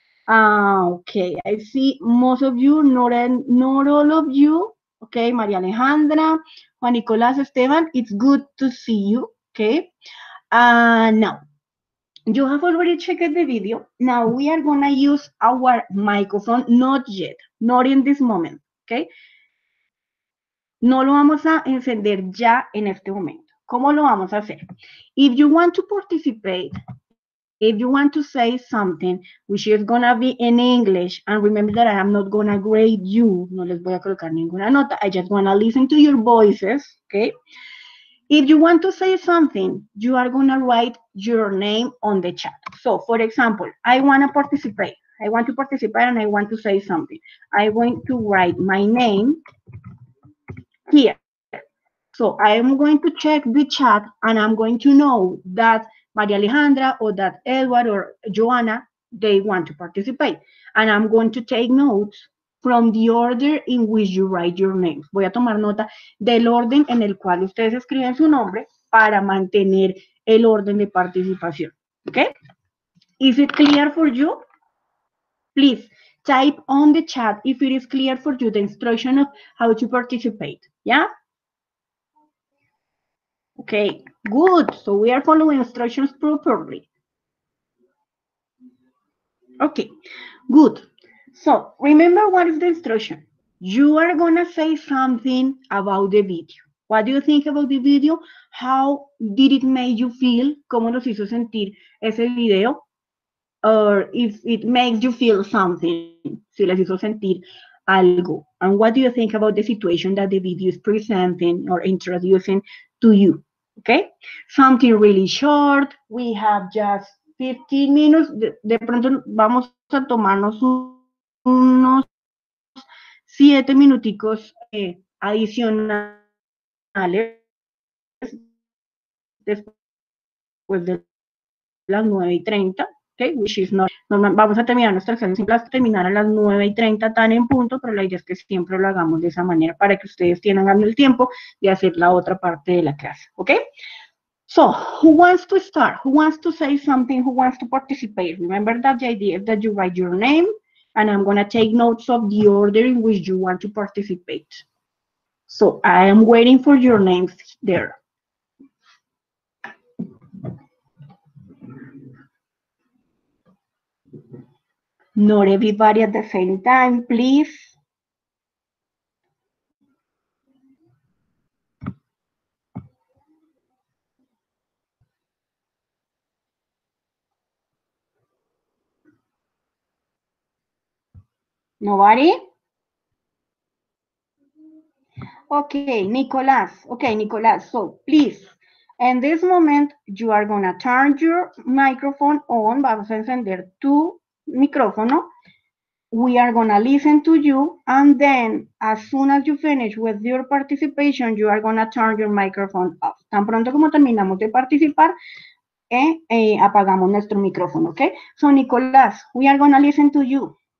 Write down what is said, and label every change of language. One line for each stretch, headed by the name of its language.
English: Okay, I see most of you, not all of you. Okay, María Alejandra, Juan Nicolás, Esteban, it's good to see you. Okay, now, you have already checked the video. Now we are going to use our microphone, not yet, not in this moment. Okay.
Spanish: No lo vamos a encender ya en este momento. ¿Cómo lo vamos a hacer?
English: If you want to participate, if you want to say something, which is going to be in English, and remember that I am not going to grade you,
Spanish: no les voy a colocar ninguna nota,
English: I just want to listen to your voices, okay? If you want to say something, you are going to write your name on the chat. So, for example, I want to participate. I want to participate and I want to say something. I want to write my name here. So I am going to check the chat and I'm going to know that María Alejandra or that Edward or Joanna, they want to participate. And I'm going to take notes from the order in which you write your name.
Spanish: Voy a tomar nota del orden en el cual ustedes escriben su nombre para mantener el orden de participación.
English: Okay? Is it clear for you? Please type on the chat if it is clear for you the instruction of how to participate. Yeah? Okay, good. So we are following instructions properly. Okay, good. So remember what is the instruction? You are going to say something about the video. What do you think about the video? How did it make you feel?
Spanish: ¿Cómo nos hizo sentir ese video?
English: Or if it makes you feel something,
Spanish: si les hizo sentir algo.
English: And what do you think about the situation that the video is presenting or introducing to you? Okay? Something really short. We have just 15 minutes.
Spanish: De pronto vamos a tomarnos unos 7 minuticos adicionales después de las 9:30.
English: Okay, which is not normal.
Spanish: Vamos a terminar nuestra sesión, siempre vamos a terminar a las 9:30 tan en punto, pero la idea es que siempre lo hagamos de esa manera para que ustedes tengan el tiempo de hacer la otra parte de la clase, okay?
English: So, who wants to start? Who wants to say something? Who wants to participate? Remember that the idea is that you write your name, and I'm going to take notes of the order in which you want to participate. So, I am waiting for your names there. Not everybody at the same time, please. Nobody? Okay, Nicolás. Okay, Nicolás, so please. In this moment, you are going to turn your microphone on.
Spanish: Vamos a encender tu micrófono.
English: We are going to listen to you, and then as soon as you finish with your participation, you are going to turn your microphone off.
Spanish: Tan pronto como terminamos de participar, apagamos nuestro micrófono, ¿ok?
English: So, Nicolás, we are going to listen to you.